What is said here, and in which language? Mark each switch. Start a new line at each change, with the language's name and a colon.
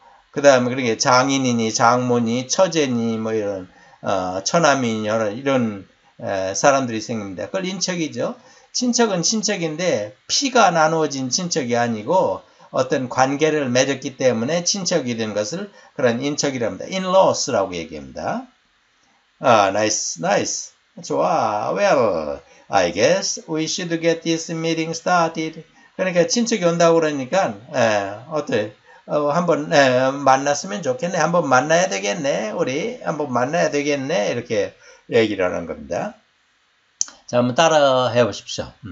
Korean: 그 다음에 그렇게 장인이니 장모니 처제니 뭐 이런 처남이니 이런 사람들이 생깁니다. 그걸 인척이죠. 친척은 친척인데 피가 나누어진 친척이 아니고 어떤 관계를 맺었기 때문에 친척이 된 것을 그런 인척이랍니다. In-laws라고 얘기합니다. 아,
English: nice, nice.
Korean: 좋아.
English: Well, I guess we should get this meeting started.
Korean: 그러니까 친척이 온다고 그러니까 어때? 한번 만났으면 좋겠네. 한번 만나야 되겠네. 우리 한번 만나야 되겠네. 이렇게 얘기를 하는 겁니다. 자, 한번 따라 해보십시오.